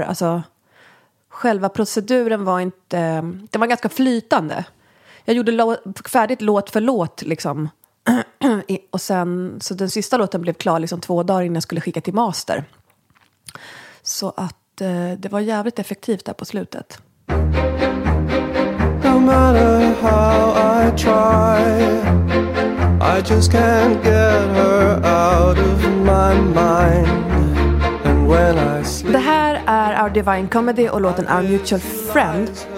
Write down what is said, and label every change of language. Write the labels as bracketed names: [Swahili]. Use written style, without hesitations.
[Swedish] Alltså, själva proceduren var inte... Den var ganska flytande. Jag gjorde färdigt låt för låt liksom. Och sen så den sista låten blev klar liksom 2 dagar innan jag skulle skicka till master. Så att det var jävligt effektivt där på slutet. [English] No matter how I try, I just can't get her out of my mind. [Swedish] Det här är Our Divine Comedy och låten Our Mutual Friend.